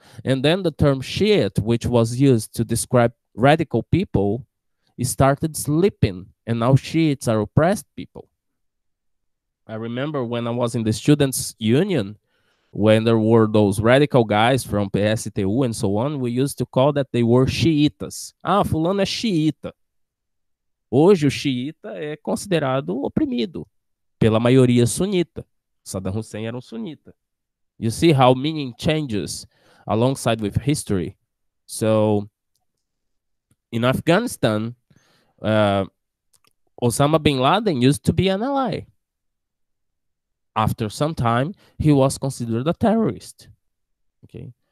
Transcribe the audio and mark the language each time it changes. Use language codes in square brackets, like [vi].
[en] And then the term Shiite, which was used to describe radical people, it started slipping, and now Shiites are oppressed people. I remember when I was in the Students' Union, when there were those radical guys from PSTU and so on, we used to call that they were Shiitas. [pt] Ah, fulano é Shiita. Hoje o Shiita é considerado oprimido pela maioria sunita. Saddam Hussein era sunita. [en] You see how meaning changes alongside with history. So, in Afghanistan, Osama bin Laden used to be an ally. After some time, he was considered a terrorist. Okay.